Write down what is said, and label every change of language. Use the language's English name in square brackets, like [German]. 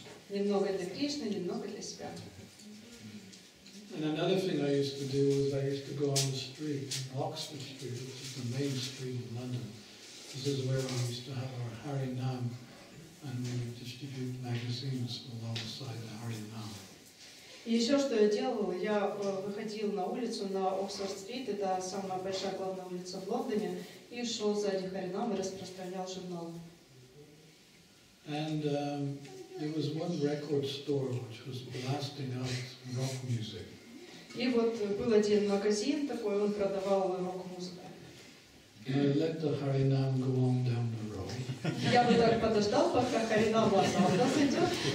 [Russian] Немного для Кришны, немного для себя. [English] And another thing I used to do was I used to go on the street, Oxford Street, which is the main street in London. This is where we used to have our Harinam, and we would distribute magazines alongside Harinam. [Russian] И еще что я делал, я выходил на улицу на Oxford Street, это самая большая главная улица в Лондоне, и шел сзади Харинам и распространял журнал. [English] And there was one record store which was blasting out rock music. [Russian] И вот был один магазин такой, он продавал рок-музыку. [English] And I let the Харинам go on down the road. [Russian] Я вот так подождал, пока Харинам осталось идет.